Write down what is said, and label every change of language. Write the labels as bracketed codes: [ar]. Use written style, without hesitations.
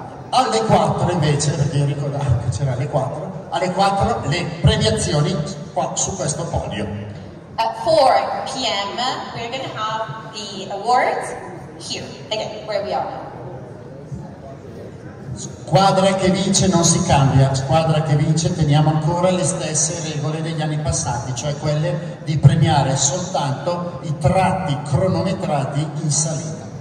[it] Alle 4 invece, perché io ricordavo che c'era alle 4, alle 4 le premiazioni qua su questo podio. [en] At 4 p.m. we're gonna have the awards here, again, where we are. [it] Squadra che vince non si cambia, squadra che vince teniamo ancora le stesse regole degli anni passati, cioè quelle di premiare soltanto i tratti cronometrati in salita.